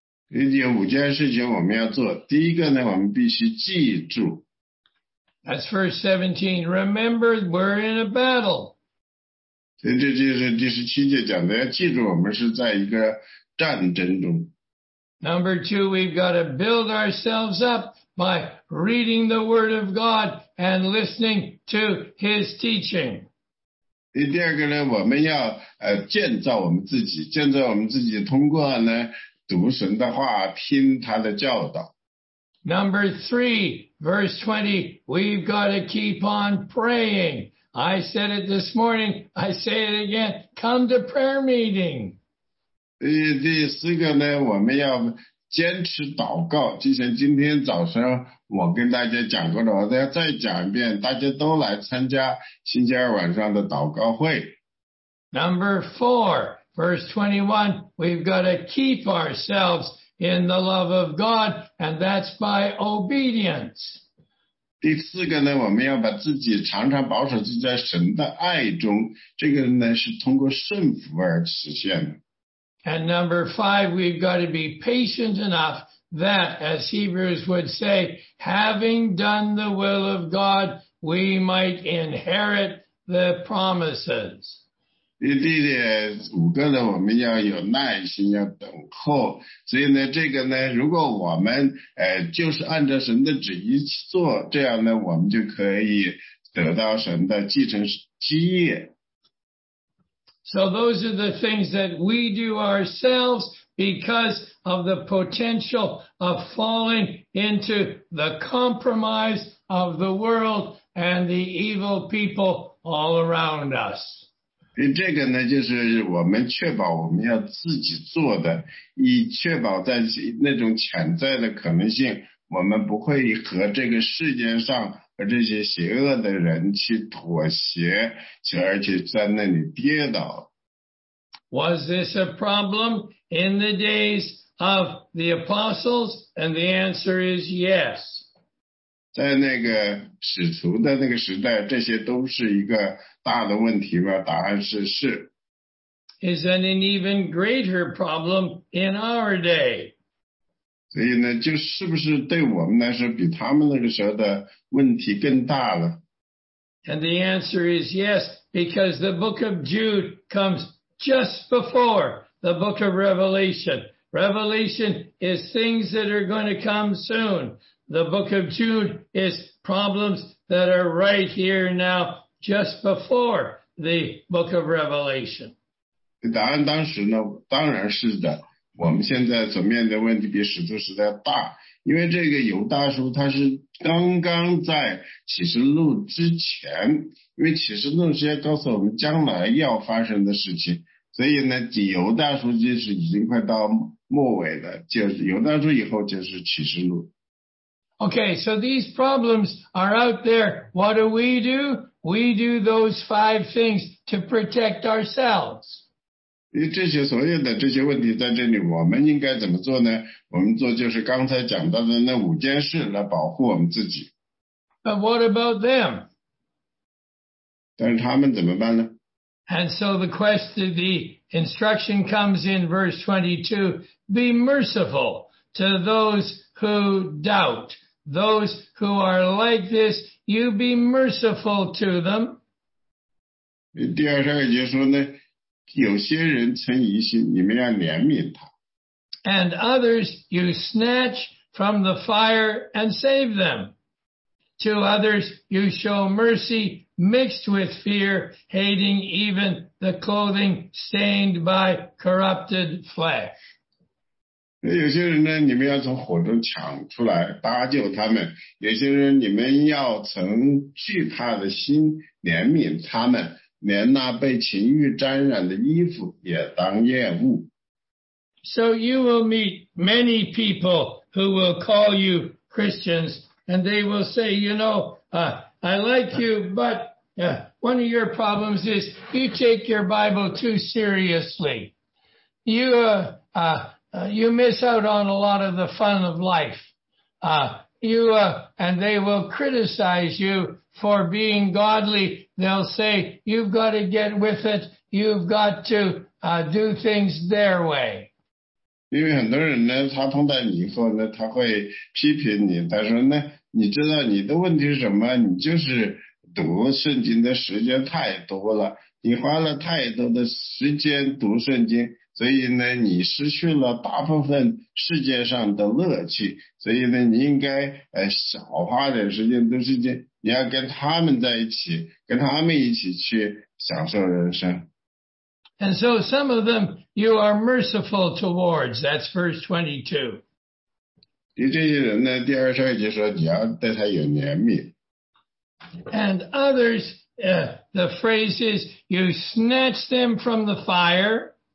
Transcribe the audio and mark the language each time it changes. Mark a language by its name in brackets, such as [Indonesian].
[Chinese] 有五件事情我们要做。第一个呢，我们必须记住。 [English] That's verse 17. Remember, we're in a battle. [Chinese] 这就是第十七节讲的，要记住我们是在一个战争中。 [English] Number two, we've got to build ourselves up by reading the Word of God and listening to His teaching. [Chinese] 第二个呢，我们要建造我们自己，建造我们自己，通过呢读神的话，听他的教导。 [English] Number three, verse 20, we've got to keep on praying. I said it this morning, I say it again, come to prayer meeting. [Chinese] 第四个呢，我们要坚持祷告，就像今天早上我跟大家讲过的，我再讲一遍，大家都来参加星期二晚上的祷告会。 [English] Number four, verse 21, we've got to keep ourselves in the love of God, and that's by obedience. [Chinese] 第四个呢，我们要把自己常常保守自己在神的爱中，这个呢是通过顺服而实现的。 [English] And number five, we've got to be patient enough that, as Hebrews would say, having done the will of God, we might inherit the promises. [Chinese] 第五个呢，我们要有耐心，要等候。所以呢，这个呢，如果我们就是按照神的旨意去做，这样呢，我们就可以得到神的继承基业。 [English] So those are the things that we do ourselves because of the potential of falling into the compromise of the world and the evil people all around us. [Chinese] 这个呢，就是我们确保我们要自己做的，以确保在那种潜在的可能性，我们不会和这个世界上和这些邪恶的人去妥协，而且在那里跌倒。 [English] Was this a problem in the days of the apostles? And the answer is yes. [Chinese] 在那个使徒的那个时代，这些都是一个大的问题吗？答案是是。 [English] Is that an even greater problem in our day? [Chinese] 所以呢，就是不是对我们来说，比他们那个时候的问题更大了？ [English] And the answer is yes, because the book of Jude comes just before the book of Revelation. Revelation is things that are going to come soon. The book of Jude is problems that are right here now, just before the book of Revelation. [Chinese] 答案当时呢，当然是的。我们现在所面对问题比使徒时代大，因为这个犹大书它是刚刚在启示录之前，因为启示录直接告诉我们将来要发生的事情，所以呢，犹大书就是已经快到末尾了，就是犹大书以后就是启示录。 [English] Okay, so these problems are out there. What do we do? We do those five things to protect ourselves. [Chinese] 因为这些所有的这些问题在这里，我们应该怎么做呢？我们做就是刚才讲到的那五件事来保护我们自己。 [English] But what about them? [Chinese] 但是他们怎么办呢？ [English] And so the question, the instruction comes in verse 22, be merciful to those who doubt, those who are like this, you be merciful to them. [Chinese] 第22节说呢，有些人存疑心，你们要怜悯他。 [English] And others you snatch from the fire and save them. To others you show mercy mixed with fear, hating even the clothing stained by corrupted flesh. [Chinese] 有些人呢，你们要从火中抢出来，搭救他们；有些人你们要存惧怕的心，怜悯他们。连那被情欲沾染的衣服也当厌恶。 [English] So you will meet many people who will call you Christians, and they will say, you know, I like you, but one of your problems is you take your Bible too seriously. You miss out on a lot of the fun of life. And they will criticize you for being godly. They'll say, you've got to get with it. You've got to do things their way. [Chinese] 因为很多人呢，他碰到你以后呢，他会批评你。他说呢，你知道你的问题是什么？你就是读圣经的时间太多了，你花了太多的时间读圣经。所以呢，你失去了大部分世界上的乐趣。所以呢，你应该少花点时间读圣经，你要跟他们在一起，跟他们一起去享受人生。 [English] And so some of them you are merciful towards. That's verse 22. [Chinese] 对这些人呢，第二十二节说你要对他有怜悯。 [English] And others, the phrase is you snatch them from the fire.